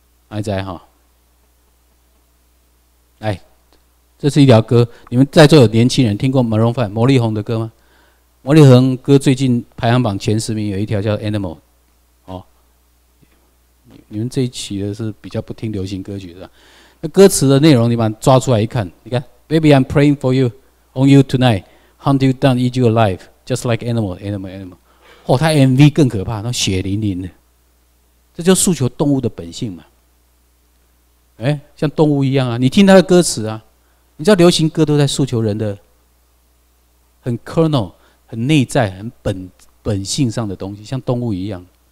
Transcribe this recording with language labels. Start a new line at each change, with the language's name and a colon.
Chinese: 来再哈，来，这是一条歌，你们在座有年轻人听过 Maroon 5魔力红的歌吗？魔力红歌最近排行榜前十名有一条叫 Animal。你们这一期的是比较不听流行歌曲是吧？那歌词的内容你把它抓出来一看，你看 ，
English: Baby I'm praying for you, on you tonight, hunt you down, eat you alive, just like animal, animal,
Chinese: animal。哦，他 MV 更可怕，那血淋淋的，这就诉求动物的本性嘛。哎，像动物一样啊，你听他的歌词啊，你知道流行歌都在诉求人的很 kernel、很内在、很本性上的东西，像动物一样。